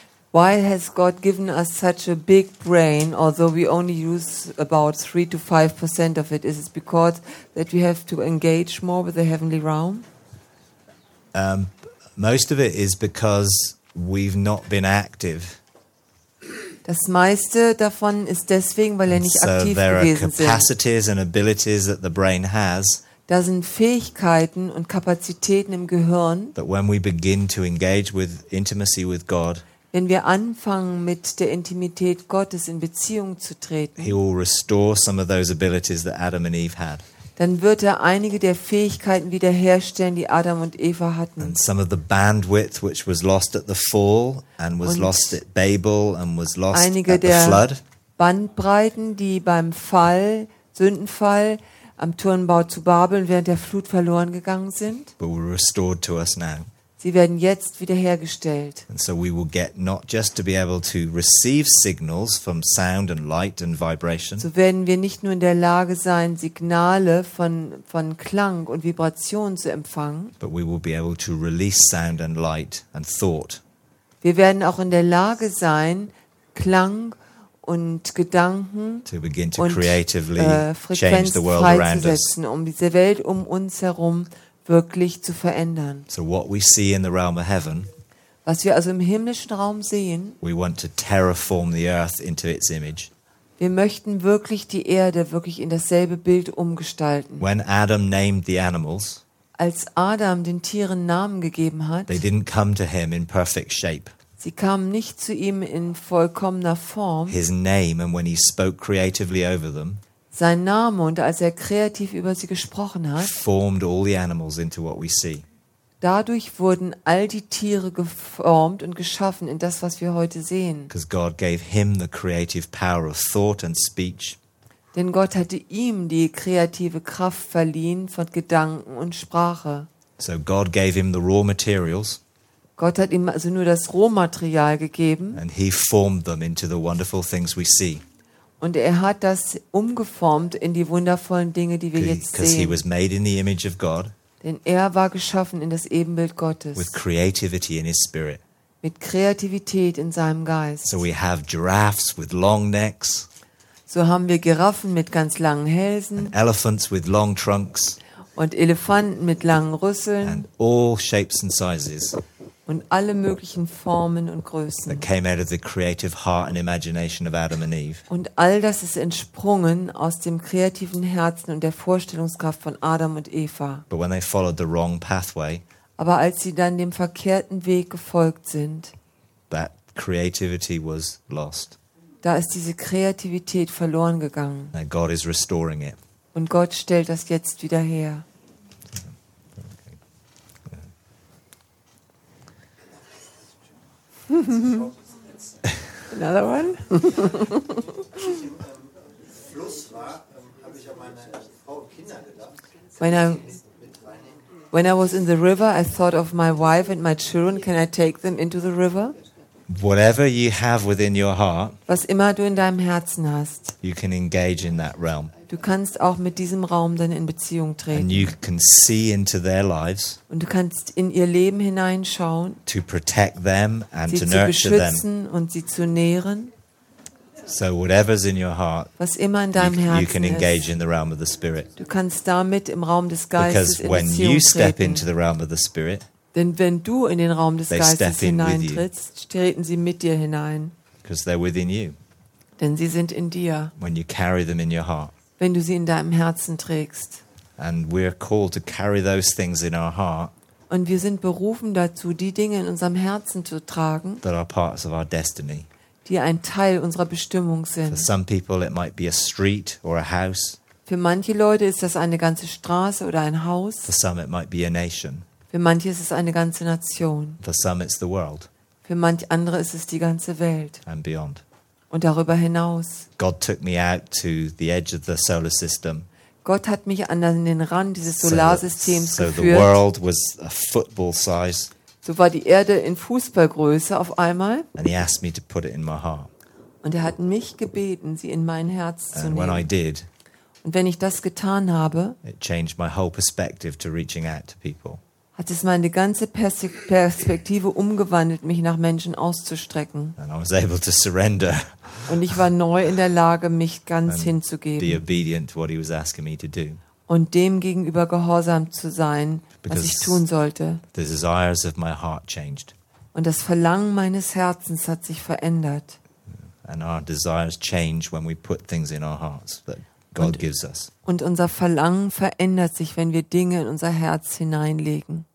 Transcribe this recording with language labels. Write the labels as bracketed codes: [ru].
[en] Why has God given us such a big brain, although we only use about 3-5% of it? Is it because that we have to engage more with the heavenly realm? Most of it is because we've not been active. [de] Das meiste davon ist deswegen, weil er nicht aktiv gewesen sind. [en] So there are capacities and abilities that the brain has. [de] Da sind Fähigkeiten und Kapazitäten im Gehirn. [en] That when we begin to engage with intimacy with God. [de] Wenn wir anfangen, mit der Intimität Gottes in Beziehung zu treten, [en] he will restore some of those abilities that Adam and Eve had. [de] Dann wird er einige der Fähigkeiten wiederherstellen, die Adam und Eva hatten. [en] And some of the bandwidth, which was lost at the fall, and was [de] und [en] lost at Babel, and was lost at the flood. [de] Einige der Bandbreiten, die beim Fall, Sündenfall, am Turmbau zu Babel während der Flut verloren gegangen sind, [en] but were restored to us now. [de] Sie werden jetzt wiederhergestellt. [en] And so we will get not just to be able to receive signals from sound and light and vibration. [de] So werden wir nicht nur in der Lage sein, Signale von Klang und Vibration zu empfangen. [en] But we will be able to release sound and light and thought. [de] Wir werden auch in der Lage sein, Klang und Gedanken [en] to begin to creatively change the world around us. [de] Um diese Welt um uns herum wirklich zu verändern. [en] So what we see in the realm of heaven, [de] was wir also im himmlischen Raum sehen, [en] we want to terraform the earth into its image. [de] Wir möchten wirklich die Erde wirklich in dasselbe Bild umgestalten. [en] When Adam named the animals, [de] als Adam den Tieren Namen gegeben hat, [en] they didn't come to him in perfect shape. [de] Sie kamen nicht zu ihm in vollkommener Form. [en] His name, and when he spoke creatively over them, [de] sein Name und als er kreativ über sie gesprochen hat, [en] formed all the animals into what we see. [de] Dadurch wurden all die Tiere geformt und geschaffen in das, was wir heute sehen. [en] Because God gave him the creative power of thought and speech. [de] Denn Gott hatte ihm die kreative Kraft verliehen von Gedanken und Sprache. [en] So God gave him the raw materials. [de] Gott hat ihm also nur das Rohmaterial gegeben. [en] And he formed them into the wonderful things we see. [de] Und er hat das umgeformt in die wundervollen Dinge, die wir jetzt sehen. [en] He was made in the image of God, [de] denn er war geschaffen in das Ebenbild Gottes. [en] With creativity in his spirit. [de] Mit Kreativität in seinem Geist. [en] So we have giraffes with long necks, [de] so haben wir Giraffen mit ganz langen Hälsen. [en] And elephants with long trunks, [de] und Elefanten mit langen Rüsseln. [en] And all shapes and sizes, [de] und alle möglichen Formen und Größen. [en] That came out of the creative heart and imagination of Adam and Eve. [de] Und all das ist entsprungen aus dem kreativen Herzen und der Vorstellungskraft von Adam und Eva. [en] But when they followed the wrong pathway, [de] aber als sie dann dem verkehrten Weg gefolgt sind, [en] that creativity was lost. [de] Da ist diese Kreativität verloren gegangen. [en] Now God is restoring it. [de] Und Gott stellt das jetzt wieder her. [en] Another one? When I was in the river, I thought of my wife and my children. Can I take them into the river? whatever you have within your heart, [de] was immer du in deinem Herzen hast, [en] you can engage in that realm. [de] Du kannst auch mit diesem Raum dann in Beziehung treten. [en] And you can see into their lives. [de] Und du kannst in ihr Leben hineinschauen. [en] To protect them and to nurture them. [de] Sie zu beschützen und sie zu nähren. [en] So whatever's in your heart, [de] was immer in deinem Herzen ist, [en] you can engage in the realm of the Spirit. [de] Du kannst damit im Raum des Geistes in Beziehung treten. [en] Because when you step into the realm of the Spirit, [de] denn wenn du in den Raum des Geistes hineintrittst, treten sie mit dir hinein. [en] Because they're within you. [de] Denn sie sind in dir. [en] When you carry them in your heart. [de] Wenn du sie in deinem Herzen trägst. [en] And we're called to carry those things in our heart. [de] Und wir sind berufen dazu, die Dinge in unserem Herzen zu tragen, [en] that are parts of our destiny. [de] Die ein Teil unserer Bestimmung sind. [en] For some people it might be a street or a house. [de] Für manche Leute ist das eine ganze Straße oder ein Haus. [en] For some it might be a nation. [de] Für manche ist es eine ganze Nation. [en] For some it's the world. [de] Für manche andere ist es die ganze Welt. [en] And beyond. [de] Und darüber hinaus. [en] God took me out to the edge of the solar system. [de] Gott hat mich an den Rand dieses Solarsystems geführt. [en] So the world was a football size. [de] So war die Erde in Fußballgröße auf einmal. [en] And he asked me to put it in my heart. [de] Und hat mich gebeten, sie in mein Herz zu nehmen. [en] And when I did, [de] und wenn ich das getan habe, [en] it changed my whole perspective to reaching out to people. [de] Hat es meine ganze Perspektive umgewandelt, mich nach Menschen auszustrecken. [en] And I was able to surrender. [de] Und ich war neu in der Lage, mich ganz [en] and [de] hinzugeben. [en] Be obedient to what he was asking me to do. [de] Und dem gegenüber gehorsam zu sein, [en] because [de] was ich tun sollte. [en] The desires of my heart changed. [de] Und das Verlangen meines Herzens hat sich verändert. [en] And our desires change when we put things in our hearts that God gives us. [de] Und unser Verlangen verändert sich, wenn wir Dinge in unser Herz hineinlegen.